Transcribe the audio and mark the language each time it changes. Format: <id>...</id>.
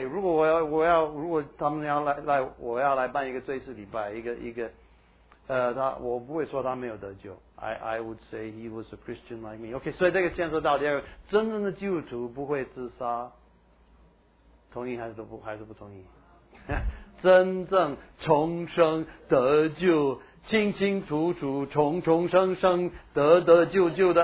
<zh>如果他们要来我要来办一个追思礼拜，一个，他我不会说他没有得救。</zh> <en>I would say he was a Christian like me.</en> <zh>Okay, 所以这个牵涉到第二个，真正的基督徒不会自杀，同意还是不同意？真正重生得救。清清楚楚，重重生生，得得救救的。</zh>